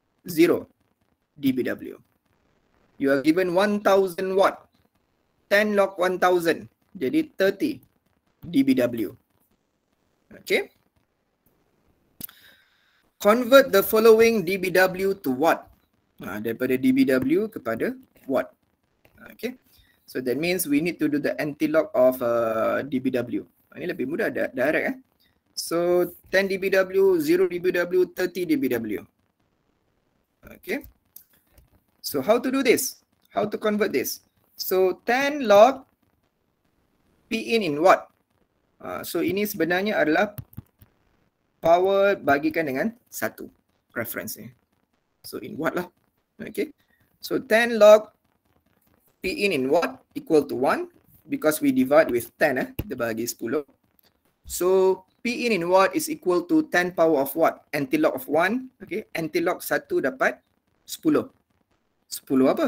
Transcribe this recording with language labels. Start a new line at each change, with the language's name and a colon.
English: 0 dBW. You are given 1000 watt. 10 log 1000. Jadi 30 dBW. Okay. Convert the following dBW to watt.
Malay: Daripada dBW kepada watt.
English: Okay. So that means we need to do the anti-log of dBW.
Malay: Ini lebih mudah,
English: direct. So 10 dBW, 0 dBW, 30 dBW. Okay. So how to do this? How to convert this? So 10 log Pin in watt.
Malay: So ini sebenarnya adalah power bagikan dengan 1 reference.
English: So in watt lah. Okay. So 10 log Pin in watt equal to 1 because we divide with 10, the bagi 10. So Pin in watt is equal to 10 power of watt, anti-log of 1.
Malay: Okay, anti-log 1 dapat 10. 10 apa?